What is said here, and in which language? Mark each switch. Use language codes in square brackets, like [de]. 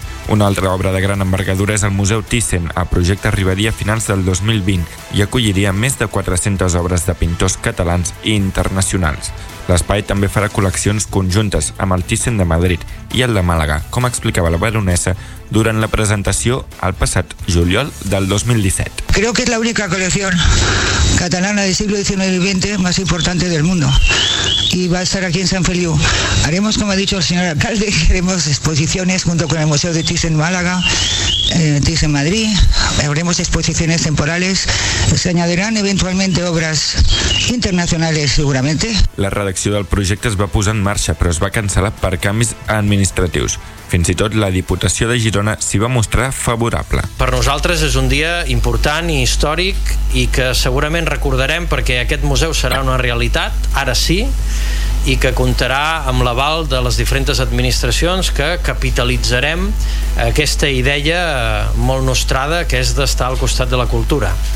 [ca] Una altra obra de gran envergadura és el Museu Thyssen. El projecte arribaria a finals del 2020 i acolliria més de 400 obres de pintors catalans i internacionals. L'espai també farà col·leccions conjuntes amb el Thyssen de Madrid i el de Màlaga, com explicava la baronessa durant la presentació el passat juliol del 2017. [es] Creo que es la única colección catalana del siglo XIX y XX más importante del mundo. Y va a estar aquí en San Feliu. Haremos, como ha dicho el señor alcalde, haremos exposiciones junto con el Museo de Thyssen Málaga, Thyssen Madrid, haremos exposiciones temporales, se añadirán eventualmente obras internacionales seguramente. [ca] La redacció del projecte es va posar en marxa, però es va cancel·lar per canvis administratius. Fins i tot la Diputació de Girona s'hi va mostrar favorable. Per nosaltres és un dia important i històric i que segurament recordarem, perquè aquest museu serà una realitat, ara sí, i que comptarà amb l'aval de les diferents administracions, que capitalitzarem aquesta idea molt nostrada, que és d'estar al costat de la cultura.